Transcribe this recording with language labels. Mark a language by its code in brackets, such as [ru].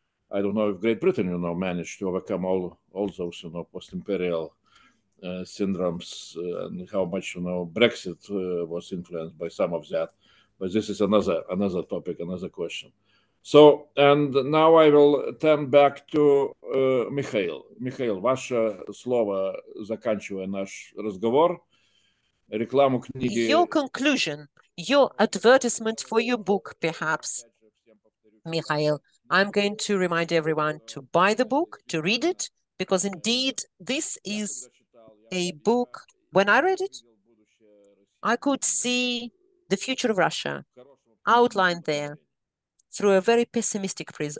[en] I don't know if Great Britain, you know, managed to overcome all those, you know, post-imperial syndromes and how much, you know, Brexit was influenced by some of that. But this is another topic, another question. So, and now I will turn back to Mikhail. [ru] Mikhail, ваше слово заканчивая наш разговор, рекламу книги. [en] Your conclusion, your advertisement for your book, perhaps, Mikhail. I'm going to remind everyone to buy the book, to read it, because indeed this is a book. When I read it, I could see the future of Russia outlined there through a very pessimistic prism.